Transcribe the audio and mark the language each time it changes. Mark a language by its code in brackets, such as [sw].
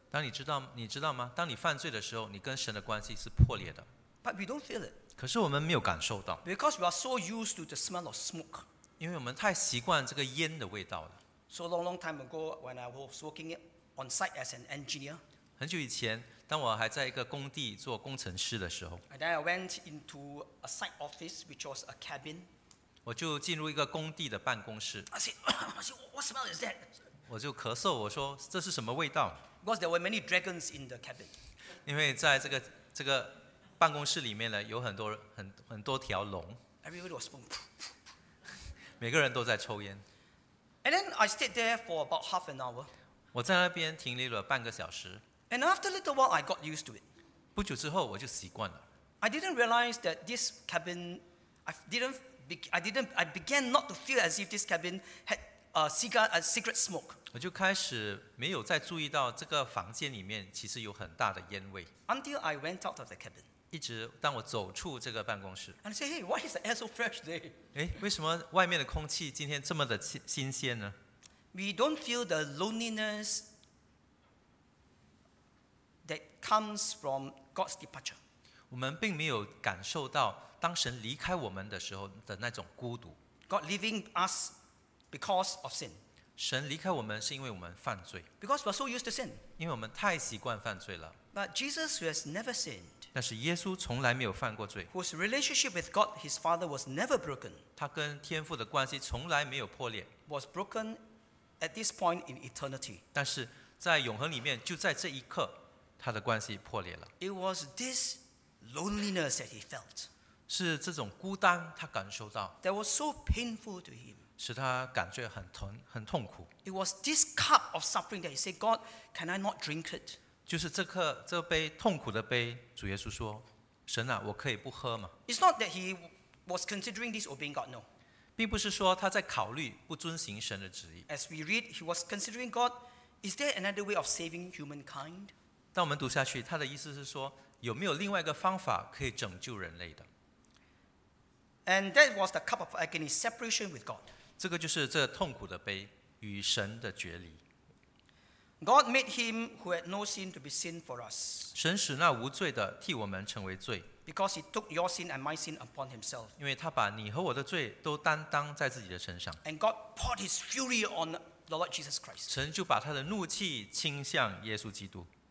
[zh] 当你知道，你知道吗？当你犯罪的时候，你跟神的关系是破裂的。 [en] But we don't feel it. [zh] 可是我们没有感受到。 [en] Because we are so used to the smell of smoke. [zh] 因为我们太习惯这个烟的味道了。 [en] So long, long time ago, when I was working on site as an engineer. [zh] 很久以前，当我还在一个工地做工程师的时候。 [en] And then I went into a site office, which was a cabin. [zh] 我就进入一个工地的办公室。 [en] I said, "What smell is that?" [zh] 我就咳嗽，我说这是什么味道 [en] ？Because there were many dragons in the cabin. [zh] 因为在这个办公室里面呢，有很多条龙。 [en] Everybody was smoking. [zh] 每个人都在抽烟。 [en] And then I stayed there for about half an hour. [zh] 我在那边停留了半个小时。 [en] And after a little while, I got used to it. [zh] 不久之后我就习惯了。 [en] I didn't realize that this cabin, I began not to feel as if this cabin had a cigarette smoke. [zh] 我就开始没有再注意到这个房间里面其实有很大的烟味。 [en] Until I went out of the cabin. [zh] 一直当我走出这个办公室 [en] ，And I say, "Hey, why is the air so fresh today?" [zh] 为什么外面的空气今天这么的新鲜呢 [en] ？We don't feel the loneliness that comes from God's departure. [zh] 我们并没有感受到当神离开我们的时候的那种孤独。 [en] God leaving us because of sin. [zh] 神离开我们是因为我们犯罪。 [en] Because we're so used to sin. [zh] 因为我们太习惯犯罪了。 [en] But Jesus has never sinned. [zh] 但是耶稣从来没有犯过罪。 [en] Whose relationship with God, his Father, was never broken. [zh] 他跟天父的关系从来没有破裂。 [en] Was broken at this point in eternity. [zh] 但是在永恒里面，就在这一刻，他的关系破裂了。 [en] It was this loneliness that he felt. [zh] 是这种孤单他感受到。 [en] That was so painful to him. [zh] 使他感觉很痛苦。 [en] It was this cup of suffering that he said, "God, can I not drink it?" [zh] 就是这杯痛苦的杯。主耶稣说：“神啊，我可以不喝吗 [en] ？”It's not that he was considering disobeying God. No, [zh] 并不是说他在考虑不遵行神的旨意。 [en] As we read, he was considering God. Is there another way of saving humankind? [zh] 当我们读下去，他的意思是说，有没有另外一个方法可以拯救人类的 [en] ？And that was the cup of agony, separation with God. [zh] 这个就是这痛苦的杯与神的决离。 [en] God made him who had no sin to be sin for us. [zh] 神使那无罪的替我们成为罪。 [en] Because he took your sin and my sin upon himself. [zh] 因为他把你和我的罪都担当在自己的身上。 [en] And God poured his fury on the Lord Jesus Christ. [zh] 神就把他的怒气倾向耶稣基督。